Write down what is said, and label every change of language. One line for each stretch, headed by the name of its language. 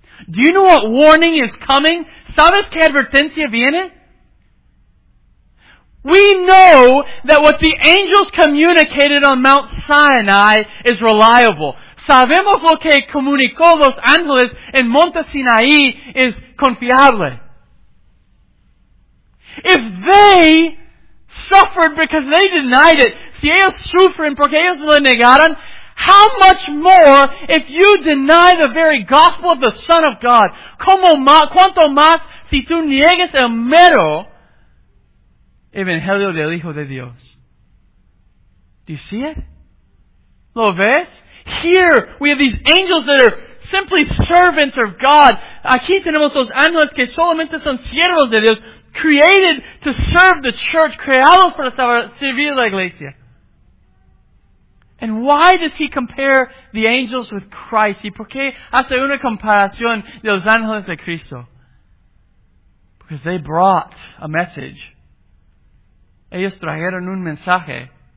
English: Do you know what warning is coming?
Spanish: ¿Sabes qué advertencia viene?
English: We know that what the angels communicated on Mount Sinai is reliable.
Spanish: Sabemos lo que comunicó los ángeles en Monte Sinaí es confiable.
English: If they suffered because they denied it,
Spanish: si ellos sufren porque ellos lo negaron,
English: how much more if you deny the very gospel of the Son of God?
Spanish: ¿Cómo más, cuánto más si tú niegas el mero evangelio del Hijo de Dios?
English: Do you see it?
Spanish: ¿Lo ves?
English: Here we have these angels that are simply servants of God.
Spanish: Aquí tenemos los ángeles que solamente son siervos de Dios,
English: created to serve the church,
Spanish: creados para servir la iglesia.
English: And why does he compare the angels with Christ?
Spanish: ¿Y por qué hace una comparación de los ángeles de Cristo?
English: Because they brought a message.
Spanish: Ellos trajeron un mensaje.